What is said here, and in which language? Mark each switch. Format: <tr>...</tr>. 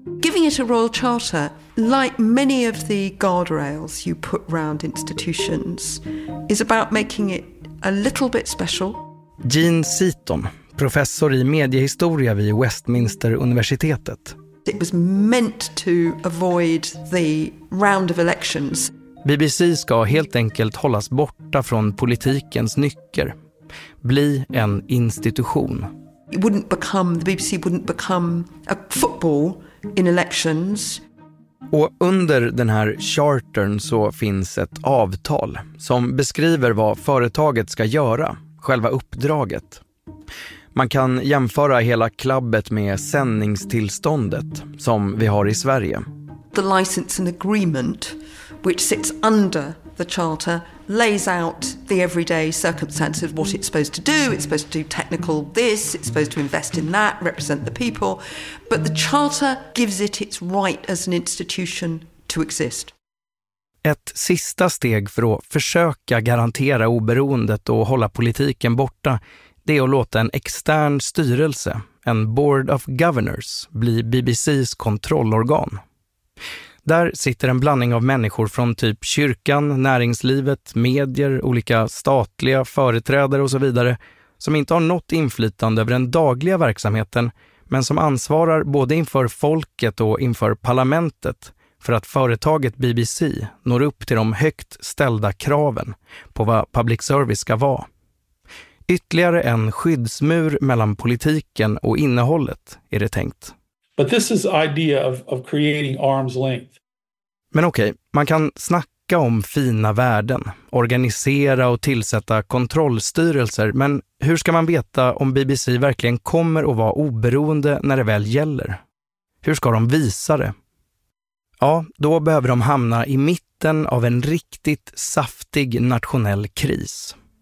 <en>Giving it a royal charter, like many of the guardrails you put round institutions, is about making it a little bit special.</en> <sv>Jean Seaton, professor i mediehistoria vid Westminster-universitetet.</sv> <en>It was meant to avoid the round of elections.</en> <sv>BBC ska helt enkelt hållas borta från politikens nycker. Bli en institution.</sv> <en>It wouldn't become, the BBC wouldn't become a football in elections.</en> <sv>Och under den här chartern så finns ett avtal som beskriver vad företaget ska göra, själva uppdraget. Man kan jämföra hela klubbet med sändningstillståndet som vi har i Sverige.</sv> <en>The license and agreement which sits under the charter lays out the everyday circumstances, what it's supposed to do. It's supposed to do technical this, it's supposed to invest in that, represent the people. But the charter gives it its right as an institution to exist.</en> <sv>Ett sista steg för att försöka garantera oberoendet och hålla politiken borta, det är att låta en extern styrelse, en Board of Governors, bli BBCs kontrollorgan. Där sitter en blandning av människor från typ kyrkan, näringslivet, medier, olika statliga företrädare och så vidare, som inte har något inflytande över den dagliga verksamheten, men som ansvarar både inför folket och inför parlamentet för att företaget BBC når upp till de högt ställda kraven på vad public service ska vara. Ytterligare en skyddsmur mellan politiken och innehållet är det tänkt.</sv> <en>But this is idea of creating arm's length.</en> <sv>Men okej, man kan snacka om fina värden, organisera och tillsätta kontrollstyrelser, men hur ska man veta om BBC verkligen kommer att vara oberoende när det väl gäller? Hur ska de visa det? Ja, då behöver de hamna i mitten av en riktigt saftig nationell kris.</sv>